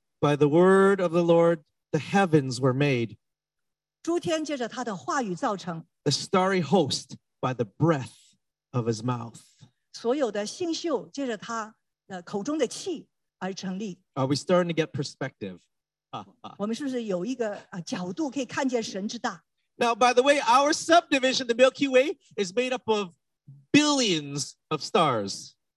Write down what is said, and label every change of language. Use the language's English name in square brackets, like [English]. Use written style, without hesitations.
[English] By the word of the Lord, the heavens were made. [Chinese] 诸天借着他的话语造成。 [English] The starry host by the breath of his mouth. [Chinese] 所有的星宿借着他口中的气而成立。 [English] Are we starting to get perspective? [Chinese] 我们是不是有一个角度可以看见神之大？ [English] Now, by the way, our subdivision, the Milky Way, is made up of billions of stars.